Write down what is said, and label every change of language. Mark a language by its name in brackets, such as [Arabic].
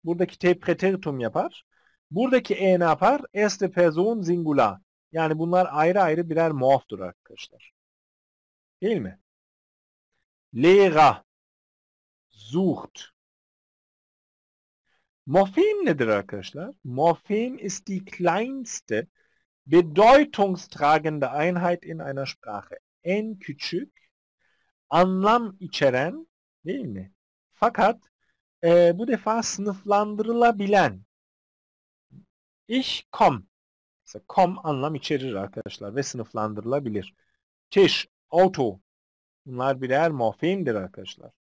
[Turkish] Buradaki T Präteritum yapar. Buradaki E ne yapar? [German] Erste Person Singular. [Turkish] Yani bunlar ayrı ayrı birer muaftır arkadaşlar. Değil mi? [German] Lehrer sucht. [Turkish] Morphem nedir arkadaşlar? [German] Morphem ist die kleinste bedeutungstragende Einheit in einer Sprache. [Turkish] En küçük anlam içeren, değil mi? Fakat bu defa sınıflandırılabilen. [German] Ich komm. [Turkish] Mesela komm anlam içerir arkadaşlar ve sınıflandırılabilir. Tisch, Auto. Bunlar birer morfemdir arkadaşlar.